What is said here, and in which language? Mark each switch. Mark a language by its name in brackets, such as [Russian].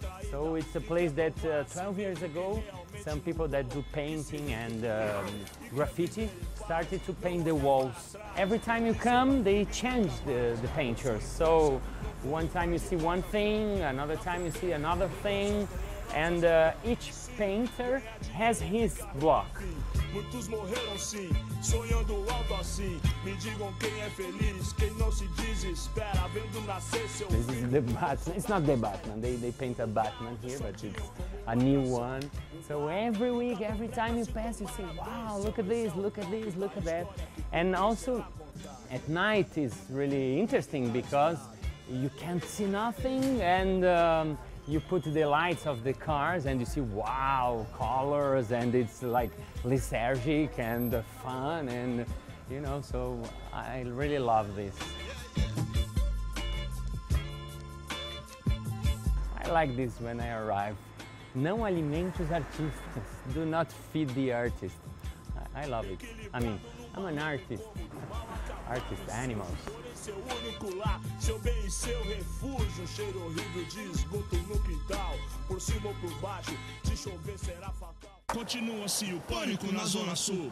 [English] So it's a place that 12 years ago, some people that do painting and graffiti started to paint the walls. Every time you come, they change the painters. So one time you see one thing, another time you see another thing, and each painter has his block. [Portuguese] Muitos morreram sim, sonhando alto assim. Me digam quem é feliz, quem não se desespera vendo nascer seu. [English] This is the Batman. It's not the Batman. They paint a Batman here, but it's a new one. So every week, every time you pass, you see, wow, look at this, look at this, look at that. And also, at night is really interesting because you can't see nothing and. You put the lights of the cars and you see, wow, colors, and it's like lethargic and fun, and you know, so I really love this. I like this when I arrive. [Portuguese] Não alimente os artistas. [English] Do not feed the artist. I love it. I mean, I'm an artist. Artist animals. [Portuguese] Seu único lar, seu bem e seu refúgio. Cheiro horrível de esgoto no quintal. Por cima ou por baixo, de chover será fatal. Continua-se o pânico na Zona Sul.